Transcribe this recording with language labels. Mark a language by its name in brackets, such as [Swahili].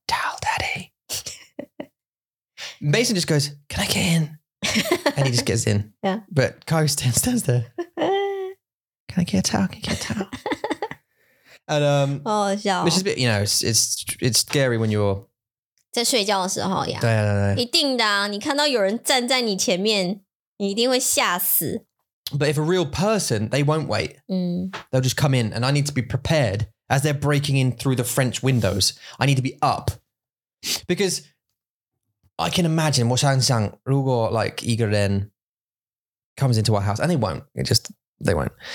[English] Towel, daddy. Mason just goes, can I get in? And he just gets in. Yeah. But Curry stands there. Can I get a towel? Can I get a towel? And, which is a bit, you know, it's scary when you're [Chinese] 在睡觉的时候呀, 对, 一定的啊, 你看到有人站在你前面, 你一定会吓死。 [English] But if a real person, they won't wait. They'll just come in and I need to be prepared as they're breaking in through the French windows. I need to be up because I can imagine [Chinese] 我想想, 如果 [English] like [Chinese] 一个人 [English] comes into our house and they won't, it just, they won't.